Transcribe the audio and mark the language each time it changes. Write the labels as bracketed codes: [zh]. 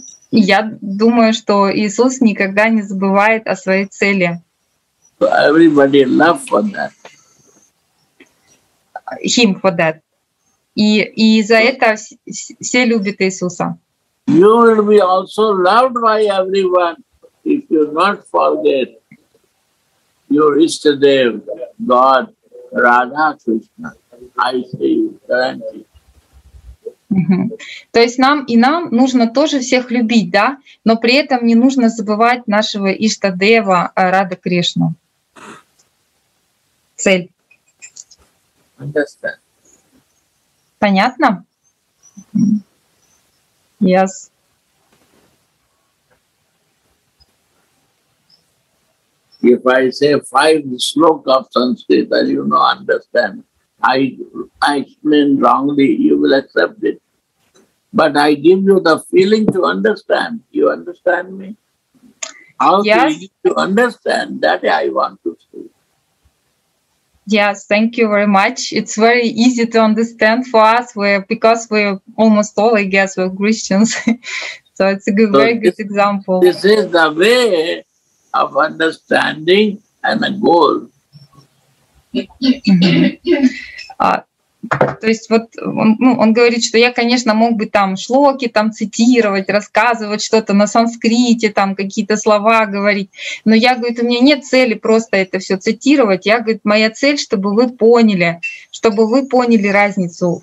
[ru] Я думаю, что Иисус никогда не забывает о своей цели. [en] Everybody love for that. Him for that. [ru] И за это все любят Иисуса. [en] You will be also loved by everyone if you not forget your Ishtadev, God, Radha Krishna. I say you guarantee. [ru] То есть нам нужно тоже всех любить, да? Но при этом не нужно забывать нашего Ishtadeva, Radha Krishna. Цель. [en] Understand. [ru] Понятно? [en] Yes. If I say five slokas of Sanskrit, then you don't understand. I explain wrongly, you will accept it. But I give you the feeling to understand. You understand me? How yes. Do you to understand? That I want to say. Yes, thank you very much. It's very easy to understand for us because we're almost all, I guess, we're Christians. So it's a good, so very this, good example. This is the way of understanding and a goal. [ru] То есть вот он говорит, что я, конечно, мог бы там шлоки там цитировать, рассказывать что-то на санскрите, там какие-то слова говорить, но я, говорит, у меня нет цели просто это все цитировать. Я, говорит, моя цель, чтобы вы поняли разницу.